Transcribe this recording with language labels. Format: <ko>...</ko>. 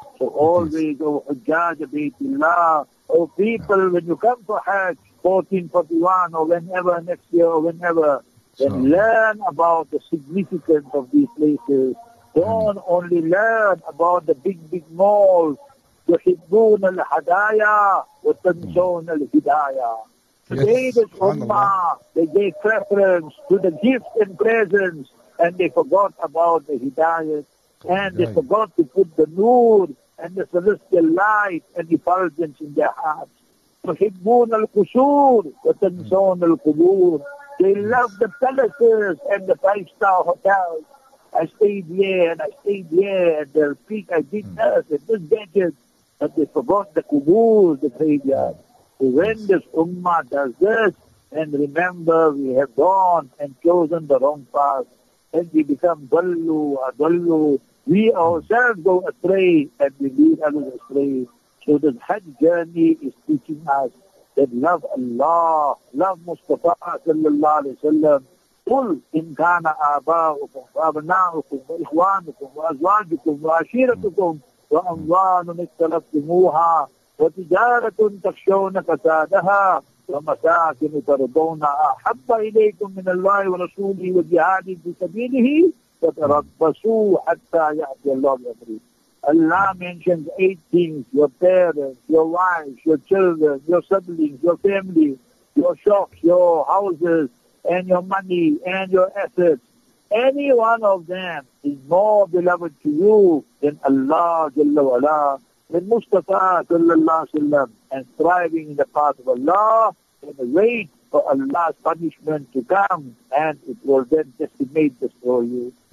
<en>So always, O Hajjaj Baitullah, O people, when you come for Hajj, 1441 or whenever, next year or whenever, then learn about the significance of these places. Don't only learn about the big, big malls.</en> <ar>تحبون الحدايا وتنسون الهدايا.</ar> <en>Today this Ummah, they gave preference to the gifts and presents and they forgot about the hidayat and they forgot to put the nur and the celestial light and effulgence in their hearts.</en> <ar>تحبون القصور وتنسون القبور.</ar> <en>They love the palaces and the five-star hotels. I stayed here and they'll speak, I did this and this gadget. But they forgot the kubur, the graveyard. So when this ummah does this, and remember we have gone and chosen the wrong path, and we become dallu, adallu, we ourselves go astray, and we lead others astray. So this Hajj journey is teaching us that love Allah, love Mustafa sallallahu alayhi wa sallam.</en> <ar>قل إن كان آباؤكم وأبناؤكم وإخوانكم وأزواجكم وعشيرتكم وأموال اقترفتموها وتجارة تخشون كسادها ومساكن ترضون أحب إليكم من الله ورسوله وجهاد في سبيله فتربصوا حتى يأتي الله بأمره.</ar> <en>Allah mentions 8 things: your parents, your wives, your children, your siblings, your family, your shops, your houses, and your money and your assets. Any one of them is more beloved to you than Allah Jalla Wala, than Mustafa Sallallahu Alaihi Wasallam, and thriving in the path of Allah, and wait for Allah's punishment to come, and it will then decimate this for you.</en>